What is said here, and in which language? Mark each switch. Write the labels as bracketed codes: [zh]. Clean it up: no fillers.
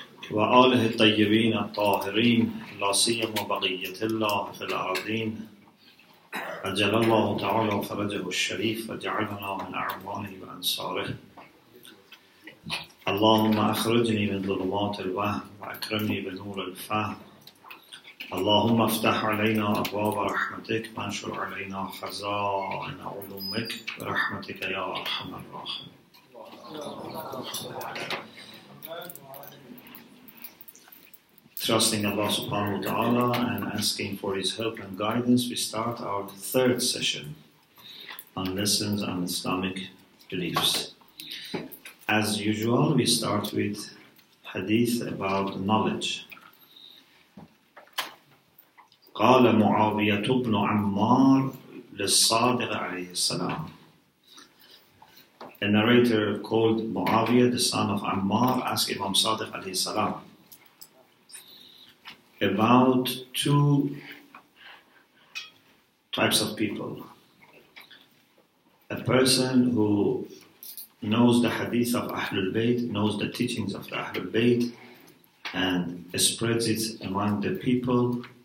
[ar] وآله الطيبين الطاهرين لا سيما بقية الله في الأرضين أجل الله تعالى فرجه الشريف وجعلنا من أعوانه وأنصاره اللهم أخرجني من ظلمات الوهم وأكرمني بنور الفهم اللهم افتح علينا أبواب رحمتك وانشر علينا خزائن علومك برحمتك يا أرحم الراحمين. [en] Trusting Allah subhanahu wa ta'ala and asking for His help and guidance, we start our third session on lessons on Islamic beliefs. As usual, we start with hadith about knowledge. [ar] قال معاوية بن عمار للصادق عليه السلام. [en] A narrator called Muawiyah, the son of Ammar, asked Imam Sadiq alayhi salam about two types of people. A person who knows the hadith of Ahlul Bayt, knows the teachings of the Ahlul Bayt, and spreads it among the people.